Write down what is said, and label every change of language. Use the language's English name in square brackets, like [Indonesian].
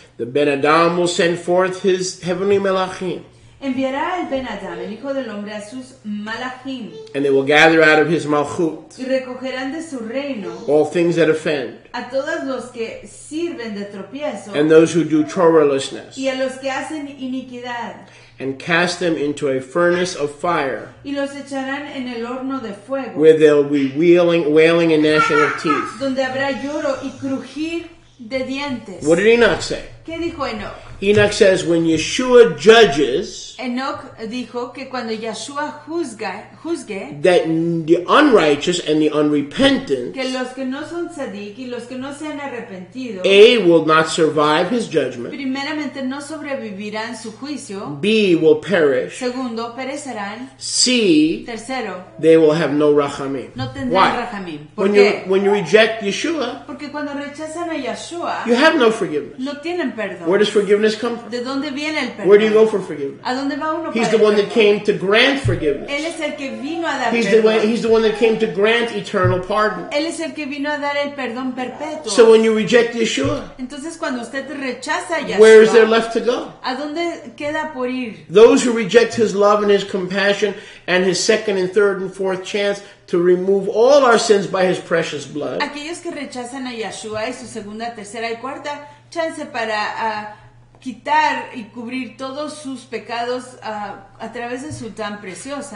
[English] The Ben Adam will send forth his heavenly Melachim. [Spanish] Enviará el Ben Adam, el Hijo del Hombre, a sus Malachim. [English] And they will gather out of his Malchut. [Spanish] Y recogerán de su reino. [English] All things that offend. [Spanish] A todos los que sirven de tropiezo. [English] And those who do churlishness. [Spanish] Y a los que hacen iniquidad. [English] And cast them into a furnace of fire. [Spanish] Y los echarán en el horno de fuego. [English] Where there will be wailing and gnashing of teeth. [Spanish] Donde habrá lloro y crujir de dientes. [English] What did Enoch say? [Spanish] ¿Qué dijo Enoch? [English] Enoch says when Yeshua judges, [Spanish] Enoch dijo que cuando Yeshua juzgue, [English] that the unrighteous and the unrepentant, [Spanish] que los que no son tzadik y los que no se han arrepentido, [English] A, will not survive his judgment, [Spanish] primeramente no sobrevivirán su juicio, [English] B, will perish, [Spanish] segundo, perecerán, [English] C, [Spanish] tercero, [English] they will have no rachamim. [Spanish] No tendrán rachamim. ¿Por [English] when [Spanish] qué? [English] When you reject Yeshua, [Spanish] porque cuando rechazan a Yeshua, [English] you have no forgiveness. [Spanish] No tienen perdón. [English] Where does forgiveness come from? [Spanish] ¿De dónde viene el perdón? [English] Where do you go for forgiveness? [Spanish] ¿A dónde dónde va uno? [English] He's the one that came to grant forgiveness. [Spanish] Él es el que vino a dar [English] He's the one that came to grant eternal pardon. [Spanish] Él es el que vino a dar el perdón perpetuo. [English] So when you reject Yeshua, [Spanish] entonces cuando usted rechaza Yeshua, [English] where is there left to go? [Spanish] ¿A dónde queda por ir? [English] Those who reject his love and his compassion and his second and third and fourth chance to remove all our sins by his precious blood. [Spanish] Aquellos que rechazan a Yeshua y su segunda, tercera y cuarta chance para quitar y cubrir todos sus pecados a través de su tan preciosa.